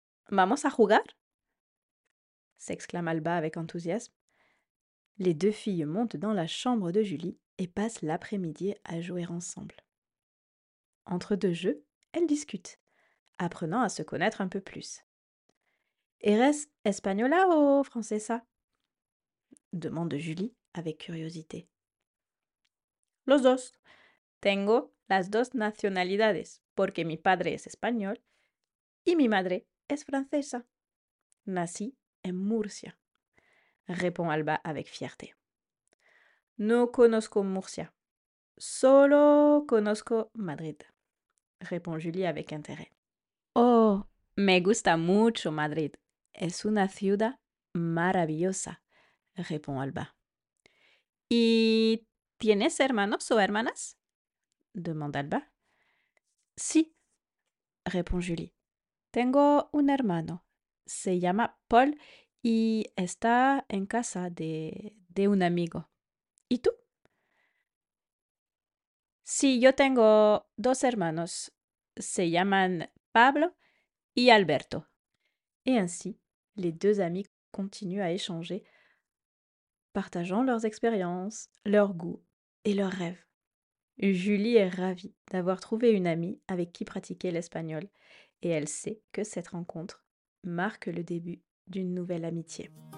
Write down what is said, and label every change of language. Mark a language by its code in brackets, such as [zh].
[es] ¿Vamos a jugar ?» [fr] s'exclame Alba avec enthousiasme. Les deux filles montent dans la chambre de Julie et passent l'après-midi à jouer ensemble. Entre deux jeux, elles discutent, apprenant à se connaître un peu plus. [es] « Eres española o francesa ?» [fr] demande Julie avec curiosité. [es] « Los dos. Tengo las dos nacionalidades porque mi padre es español y mi madre es francesa. Nací en Murcia. [fr] » répond Alba avec fierté. [es] No conozco Murcia. Solo conozco Madrid. [fr] Répond Julie avec intérêt. [es] Oh, me gusta mucho Madrid. Es una ciudad maravillosa. [fr] Répond Alba. [es] ¿Y tienes hermanos o hermanas? [fr] Demande Alba. [es] Sí. [fr] Répond Julie. [es] Tengo un hermano. Se llama Paul. Y está en casa de un amigo. ¿Y tú? Sí, yo tengo dos hermanos. Se llaman Pablo y Alberto. [fr] Et ainsi, les deux amis continuent à échanger, partageant leurs expériences, leurs goûts et leurs rêves. Julie est ravie d'avoir trouvé une amie avec qui pratiquer l'espagnol et elle sait que cette rencontre marque le début d'une nouvelle amitié.